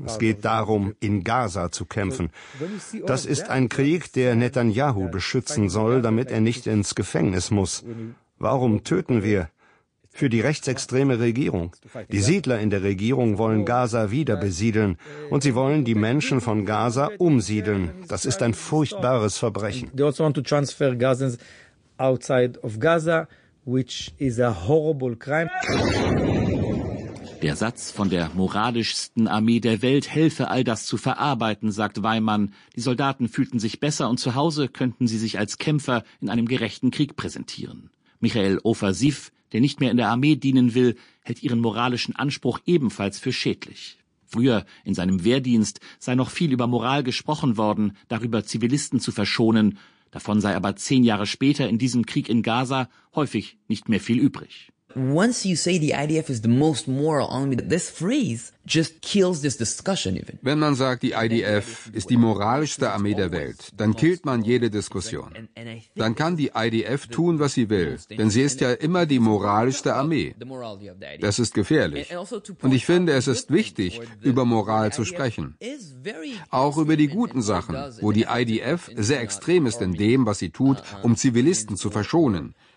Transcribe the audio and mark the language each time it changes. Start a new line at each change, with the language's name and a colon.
German: Es geht darum, in Gaza zu kämpfen. Das ist ein Krieg, der Netanyahu beschützen soll, damit er nicht ins Gefängnis muss. Warum töten wir? Für die rechtsextreme Regierung. Die Siedler in der Regierung wollen Gaza wieder besiedeln und sie wollen die Menschen von Gaza umsiedeln. Das ist ein furchtbares Verbrechen.
English: They also want to transfer Gazans outside of Gaza, which is a horrible crime.
German: Der Satz von der moralischsten Armee der Welt helfe, all das zu verarbeiten, sagt Weimann. Die Soldaten fühlten sich besser und zu Hause könnten sie sich als Kämpfer in einem gerechten Krieg präsentieren. Michael Ofer-Sif, der nicht mehr in der Armee dienen will, hält ihren moralischen Anspruch ebenfalls für schädlich. Früher, in seinem Wehrdienst, sei noch viel über Moral gesprochen worden, darüber Zivilisten zu verschonen. Davon sei aber 10 Jahre später in diesem Krieg in Gaza häufig nicht mehr viel übrig.
English: Once you say the IDF is the most moral army, this phrase just kills this discussion even.
German: Wenn man sagt, die IDF ist die moralischste Armee der Welt, dann killt man jede Diskussion. Dann kann die IDF tun, was sie will, denn sie ist ja immer die moralischste Armee. Das ist gefährlich. Und ich finde, es ist wichtig, über Moral zu sprechen. Auch über die guten Sachen, wo die IDF sehr extrem ist in dem, was sie tut, um Zivilisten zu verschonen.